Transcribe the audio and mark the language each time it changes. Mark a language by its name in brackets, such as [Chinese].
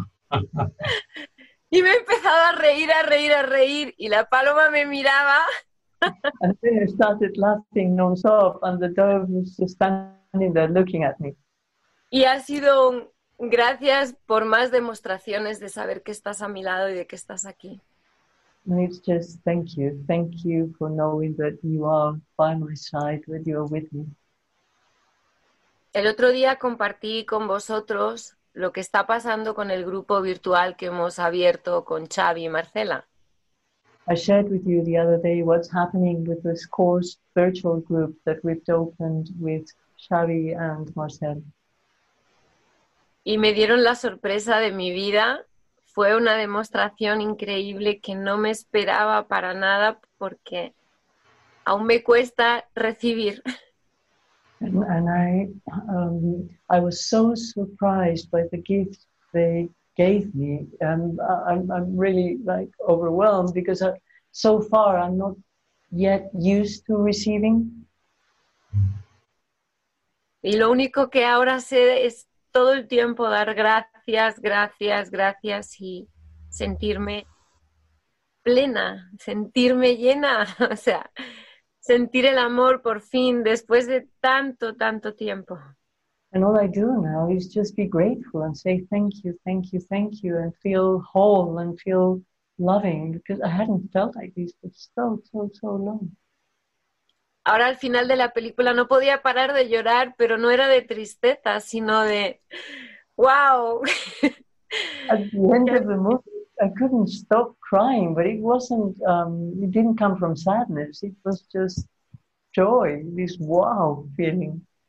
[Spanish] Y me he empezado a reír y la paloma me miraba. [English] And then I started laughing non-stop and the dove was just standing there looking at me. [Spanish] Y ha sido gracias por más demostraciones de saber que estás a mi lado y de que estás aquí. [English] It's just thank you. Thank you for knowing that you are by my side, that you are with me. [Spanish] El otro día compartí con vosotros lo que está pasando con el grupo virtual que hemos abierto con Xavi y Marcela. [English] I shared with you the other day what's happening with this course virtual group that we've opened with Xavi and Marcel. [Spanish] Y me dieron la sorpresa de mi vida. Fue una demostración increíble que no me esperaba para nada porque aún me cuesta recibir. [English] And I was so surprised by the gift they gave me. I'm really like overwhelmed because so far I'm not yet used to receiving. [Spanish] Y lo único que ahora sé es todo el tiempo dar gracias, gracias, gracias y sentirme plena, sentirme llena, o sea, sentir el amor por fin después de tanto, tanto tiempo. [English] And all I do now is just be grateful and say thank you, thank you, thank you, and feel whole and feel loving because I hadn't felt like this for so, so, so long. [Spanish] Ahora al final de la película no podía parar de llorar, pero no era de tristeza, sino de wow. [English] At the end of the movie, I couldn't stop crying, but it wasn't, it didn't come from sadness, it was just joy, this wow feeling.